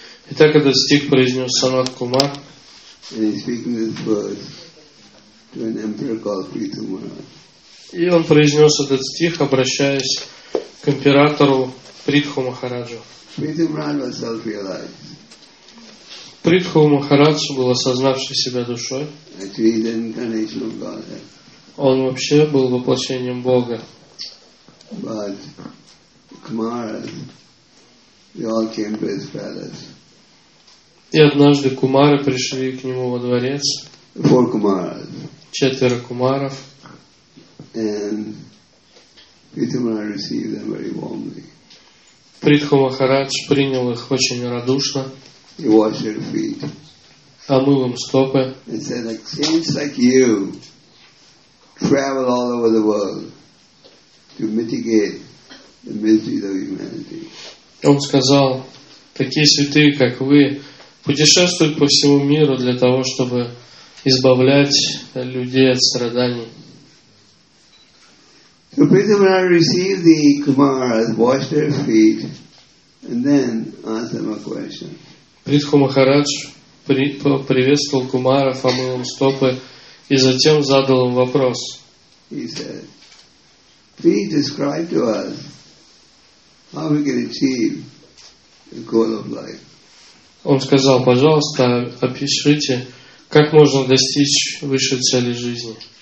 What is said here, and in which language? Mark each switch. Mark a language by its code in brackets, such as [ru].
[ru] Итак, этот стих произнес Санат Кумар. [en] And he's speaking this verse to an emperor called Prithu Maharaj. [ru] И он произнес этот стих, обращаясь к императору Притху Махараджу. [en] Prithu Maharaj was self-realized. [ru] Притху Махараджу был осознавший себя душой. [en] Actually, he's the incarnation of Godhead. [ru] Он вообще был воплощением Бога. [en] But Kumaras, they all came to his palace. [ru] И однажды кумары пришли к нему во дворец. [en] Four kumaras. [ru] Четверо кумаров. [en] And Prithu Maharaj received them very warmly. [ru] Притху Махарадж принял их очень радушно. [en] He washed their feet. [ru] Омыл им стопы. [en] And said, "Saints like you travel all over the world to mitigate the miseries of humanity." [ru] Он сказал, такие святые, как вы, путешествуют по всему миру для того, чтобы избавлять людей от страданий. [en] So Prithu Maharaj received the kumaras, washed their feet, and then asked them a question. [ru] Притху Махарадж приветствовал кумаров, омыл им стопы и затем задал им вопрос. [en] He said, "Please describe to us how we can achieve the goal of life." [ru] Он сказал, пожалуйста, опишите, как можно достичь высшей цели жизни.